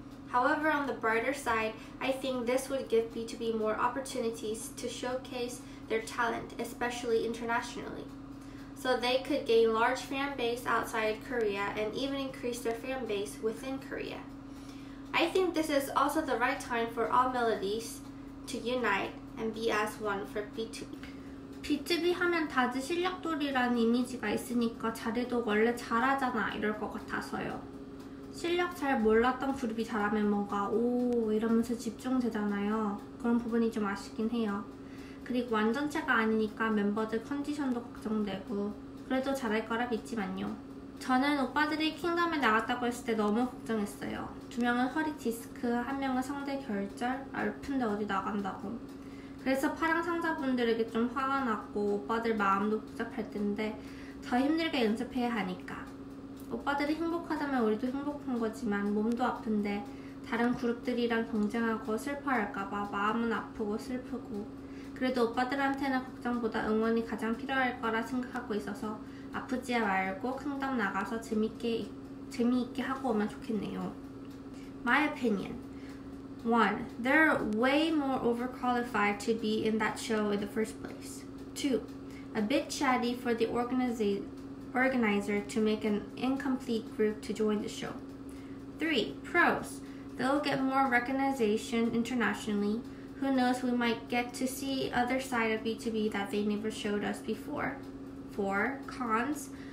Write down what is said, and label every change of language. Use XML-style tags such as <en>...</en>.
<en>However, on the brighter side, I think this would give B2B more opportunities to showcase their talent, especially internationally. So they could gain large fan base outside Korea and even increase their fan base within Korea. I think this is also the right time for all Melodies to unite and be as one for B2B.</en> <ko>B2B 하면 다들 실력돌이라는 이미지가 있으니까 자리도 원래 잘하잖아 이럴 것 같아서요. 실력 잘 몰랐던 그룹이 잘하면 뭔가 오 이러면서 집중되잖아요. 그런 부분이 좀 아쉽긴 해요. 그리고 완전체가 아니니까 멤버들 컨디션도 걱정되고 그래도 잘할 거라 믿지만요. 저는 오빠들이 킹덤에 나갔다고 했을 때 너무 걱정했어요. 두 명은 허리 디스크, 한 명은 성대 결절, 아픈데 어디 나간다고. 그래서 파랑 상자분들에게 좀 화가 났고 오빠들 마음도 복잡할 텐데 더 힘들게 연습해야 하니까. 오빠들이 행복하다면 우리도 행복한 거지만 몸도 아픈데 다른 그룹들이랑 경쟁하고 슬퍼할까봐 마음은 아프고 슬프고 그래도 오빠들한테는 걱정보다 응원이 가장 필요할 거라 생각하고 있어서 아프지 말고 킹덤 나가서 재미있게 하고 오면 좋겠네요.</ko> <en>My opinion. 1. They're way more overqualified to be in that show in the first place. 2. A bit chatty for the organizer to make an incomplete group to join the show. 3. Pros. They'll get more recognition internationally. Who knows, we might get to see other side of B2B that they never showed us before. 4. Cons.</en>